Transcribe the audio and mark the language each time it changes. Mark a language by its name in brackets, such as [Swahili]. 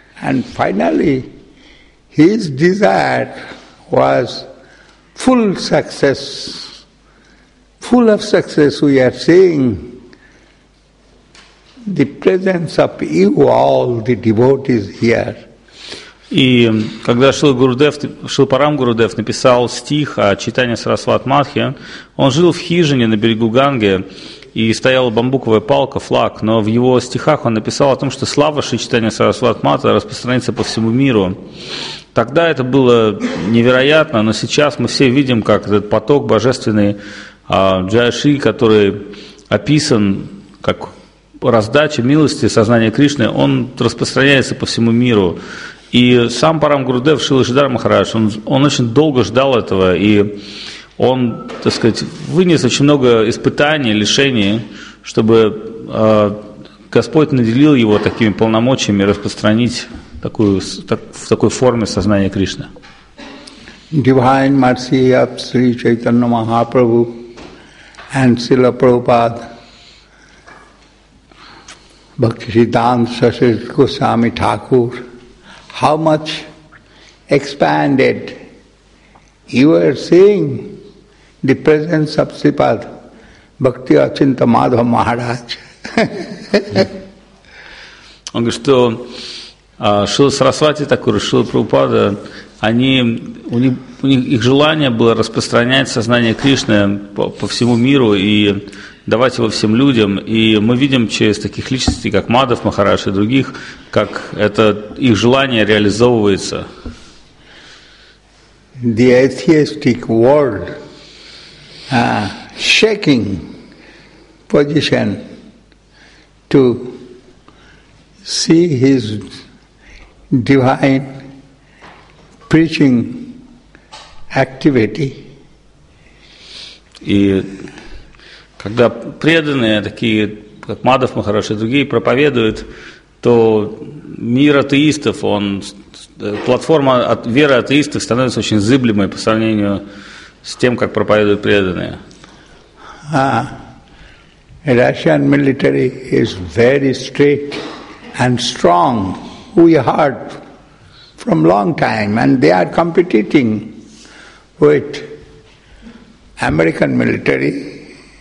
[English] And finally, his desire was full success. Full of success, we are seeing the presence of you all, the devotees here. [Russian] И когда Шрила Парам Гурудев написал стих о читании Сарасват Матхи, он жил в хижине на берегу Ганги, и стояла бамбуковая палка, флаг, но в его стихах он написал о том, что слава Шри Чайтанья Сарасват Матхи распространится по всему миру. Тогда это было невероятно, но сейчас мы все видим, как этот поток божественный Джая Шри, который описан как раздача милости сознания Кришны, он распространяется по всему миру. И сам Парам Гурудев Шрила Шридхара Махарадж, он очень долго ждал этого, и он, так сказать, вынес очень много испытаний, лишений, чтобы Господь наделил его такими полномочиями распространить в такой форме сознания Кришны. [English] Divine mercy of Sri Chaitanya Mahaprabhu and Srila Prabhupada, Bhaktisiddhanta Saraswati Goswami Thakur, how much expanded you are seeing the presence of Sripad Bhakti Achinta Madhava Maharaj. [Russian] Он говорит, что Шрила Сарасвати Такур, Шрила Прабхупада, их желание было распространять сознание Кришны по всему миру и давать его всем людям. И мы видим через таких личностей, как Мадав Махарадж и других, как это их желание реализовывается. [English] The atheistic world shaking position to see his divine preaching activity. [Russian] И когда преданные, такие как Мадав Махарадж и другие, проповедуют, то мир атеистов, платформа веры атеистов становится очень зыблемой по сравнению с тем, как проповедуют преданные. [English] Russian military is very strict and strong. We heard from long time, and they are competing with American military.